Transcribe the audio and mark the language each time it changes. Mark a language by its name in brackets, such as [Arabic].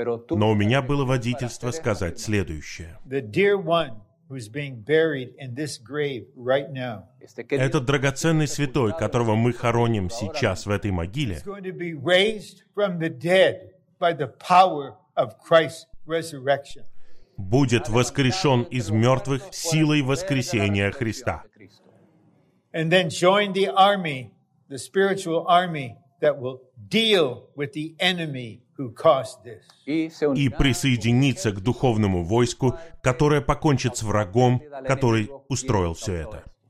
[Russian] Но у меня было водительство сказать следующее. [English] The dear one who's being buried in this grave right now. [Russian] Этот драгоценный святой, которого мы хороним сейчас в этой могиле, [English] is going to be raised from the dead by the power of Christ's resurrection. [Russian] Будет воскрешен из мертвых силой воскресения Христа. [English] And then join the army, the spiritual army that will deal with the enemy. [Russian] И присоединиться к духовному войску, которое покончит с врагом, который устроил все это.